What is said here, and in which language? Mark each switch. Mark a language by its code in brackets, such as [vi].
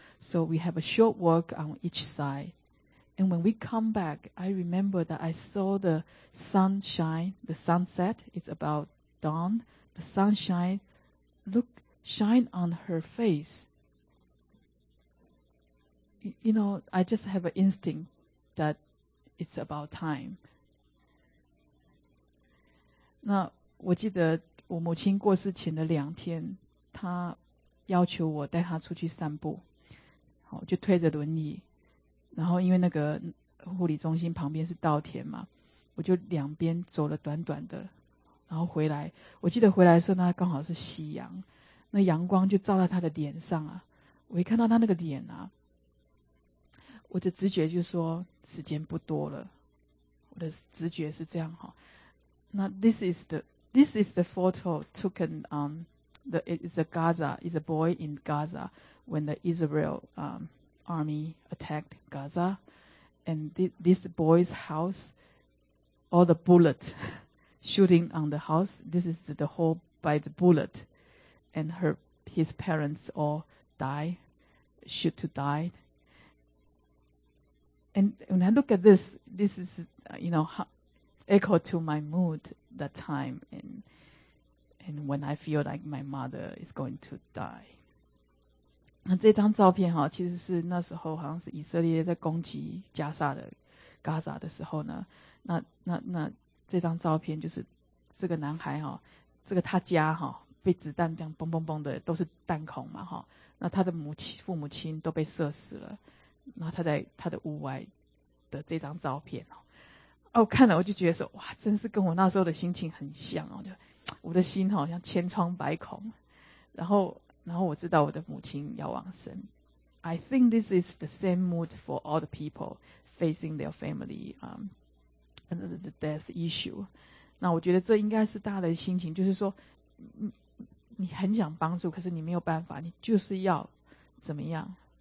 [en] So we have a short walk on each side. And when we come back, I remember that I saw the sunshine, the sunset. It's about dawn. The sunshine shine on her face. You know, I just have an instinct that. It's about time. [zh] 那我记得我母亲过世前的两天，她要求我带她出去散步，好，就推着轮椅，然后因为那个护理中心旁边是稻田嘛，我就两边走了短短的，然后回来，我记得回来的时候，那刚好是夕阳，那阳光就照在她的脸上啊，我一看到她那个脸啊，我的直觉就说时间不多了，我的直觉是这样哈。 [en] 那 this is the photo taken it's a Gaza, it's a boy in Gaza when the Israel army attacked Gaza, and this boy's house, all the bullet shooting on the house. This is the hole by the bullet, and his parents all die, shoot to die. And when I look at this, this is, you know, echo to my mood that time, and when I feel like my mother is going to die. [zh] 那这张照片哈，其实是那时候好像是以色列在攻击加沙的加沙的时候呢，那这张照片就是这个男孩哈，这个他家哈被子弹这样嘣嘣嘣的都是弹孔嘛哈，那他的父母亲都被射死了。然后他在他的屋外的这张照片哦，我看了我就觉得说，哇，真是跟我那时候的心情很像哦，就我的心好像千疮百孔，然后我知道我的母亲要往生。 [en] I think this is the same mood for all the people facing their family the death issue。 [zh] 那我觉得这应该是大家的心情，就是说，你很想帮助，可是你没有办法，你就是要怎么样？